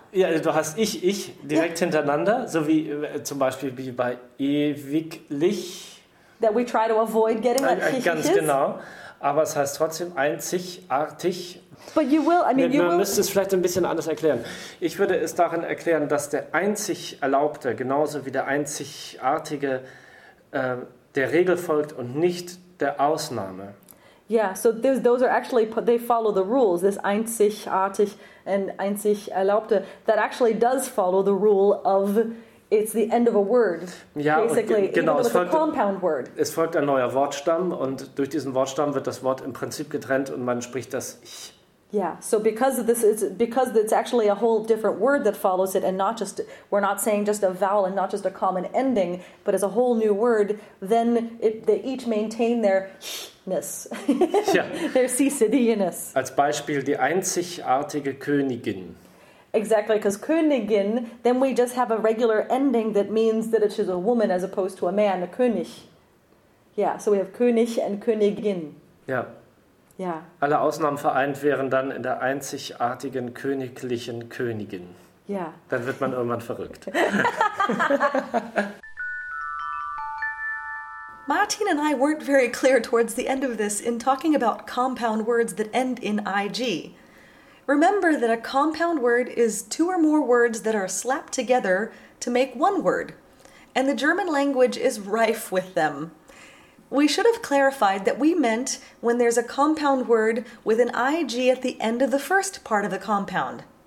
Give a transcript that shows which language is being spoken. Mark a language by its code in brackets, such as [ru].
[de] Ja, du hast ich direkt hintereinander, so wie zum Beispiel wie bei ewiglich. [en] That we try to avoid getting that ich. [de] Ganz genau. Aber es heißt trotzdem einzigartig. [en] But you will, I mean, [de] man müsste es vielleicht ein bisschen anders erklären. Ich würde es darin erklären, dass der einzig Erlaubte, genauso wie der Einzigartige, der Regel folgt und nicht der Ausnahme. [en] Yeah, so those are actually, they follow the rules, this einzigartig and einzig Erlaubte, that actually does follow the rule of, it's the end of a word, [de] ja, [en] basically, [de] genau, [en] even though it's a compound word. [de] Es folgt ein neuer Wortstamm und durch diesen Wortstamm wird das Wort im Prinzip getrennt und man spricht das Ich. [en] Yeah, so because it's actually a whole different word that follows it, and not just, we're not saying just a vowel and not just a common ending, but it's a whole new word, then they each maintain their Ch-ness, [de] ja. [en] Their C-C-D-ness. [de] Als Beispiel die einzigartige Königin. [en] Exactly, because Königin, then we just have a regular ending that means that it is a woman as opposed to a man, a König. Yeah, so we have König and Königin. Yeah. [de] Ja. Alle Ausnahmen vereint wären dann in der einzigartigen königlichen Königin. Ja. Dann wird man irgendwann verrückt. [en] Martin and I weren't very clear towards the end of this in talking about compound words that end in IG. Remember that a compound word is two or more words that are slapped together to make one word. And the German language is rife with them. We should have clarified that we meant when there's a compound word with an ig at the end of the first part of the compound.